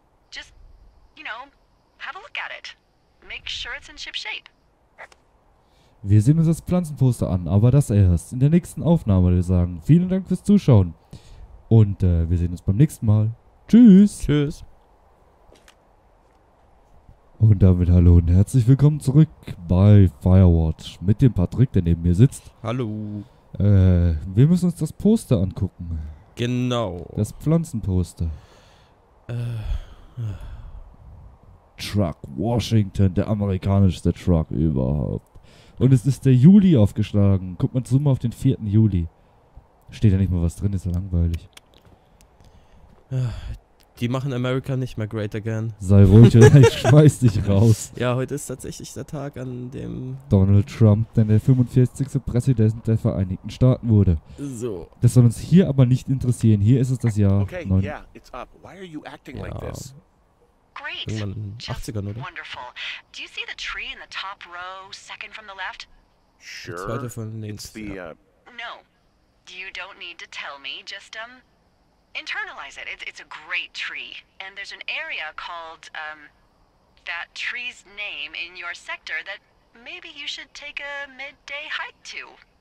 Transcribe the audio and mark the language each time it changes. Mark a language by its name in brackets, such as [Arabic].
[English] Just, you know, have a look at it. Make sure it's in ship shape. [German] Wir sehen uns das Pflanzenposter an, aber das erst in der nächsten Aufnahme, würde ich sagen. Vielen Dank fürs Zuschauen. Und wir sehen uns beim nächsten Mal. Tschüss. Tschüss. Und damit hallo und herzlich willkommen zurück bei Firewatch mit dem Patrick, der neben mir sitzt. Hallo. Wir müssen uns das Poster angucken. Genau. Das Pflanzenposter. Truck Washington, der amerikanischste Truck überhaupt. Und es ist der Juli aufgeschlagen. Guck mal, zoom mal auf den 4. Juli. Steht ja nicht mal was drin, ist ja langweilig. Die machen America nicht mehr [English] great again. [German] Sei ruhig oder ich schmeiß dich raus. Ja, heute ist tatsächlich der Tag, an dem Donald Trump denn der 45. Präsident der Vereinigten Staaten wurde. So. Das soll uns hier aber nicht interessieren. Hier ist es das Jahr. Okay, neun. [English] Yeah, it's up. Why are you acting like this? Great. [German] Irgendwann in den 80ern, oder? [English] Wonderful. Do you see the tree in the top row, second from the left? Sure. [German] Zweite von links. [English] It's the, ja. No. You don't need to tell me, just internalize it. It's a great tree. And there's an area called that tree's name in your sector that maybe you should take a midday hike to.